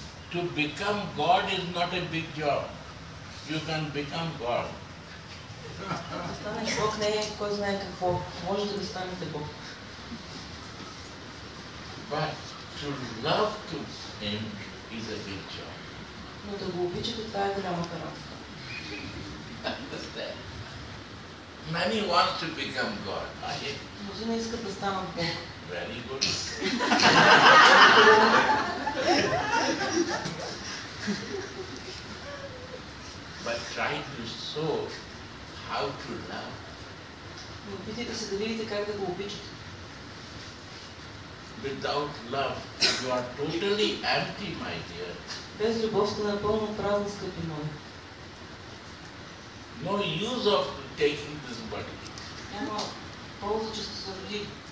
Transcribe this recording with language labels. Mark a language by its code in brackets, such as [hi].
[en] To become God is not a big job. You can become God. [bg] Да станеш Бог не е кой знае какво. Можете да станете Бог. [en] But to love to him is a big job. [bg] Но да го обичате, това е голямата работа. [en] Understand? Many want to become God. [bg] Може не искат да станат Бог. [en] Very good. But try to show how to love. [bg] Опитайте се да видите как да го обичате. [en] Without love, you are totally empty, my dear. [bg] Без любов сте напълно празни, скъпи мои. [en] No use of taking this body. [bg] Няма полза, че сте се родили.